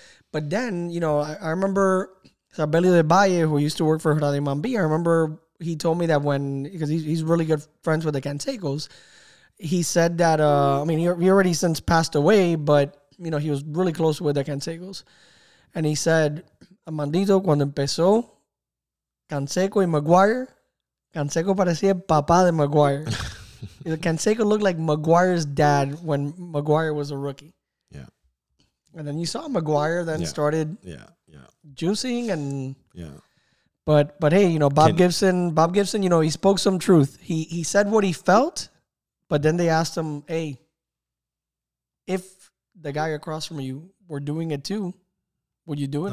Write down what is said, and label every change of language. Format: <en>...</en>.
<en>But then, you know, I remember Sabelli de Valle, who used to work for Radio Mambi. I remember he told me that when, because he's really good friends with the Cansecos, he said that, I mean, he already since passed away, but, you know, he was really close with the Cansecos. And he said, Armandito,</en> <es>cuando empezó Canseco y Maguire, Canseco parecía papá de Maguire.</es> <en>Canseco looked like Maguire's dad when Maguire was a rookie. Yeah. And then you saw Maguire then started juicing and But hey, you know, Bob Gibson, you know, he spoke some truth. He said what he felt, but then they asked him, hey, if the guy across from you were doing it too, would you do it?</en>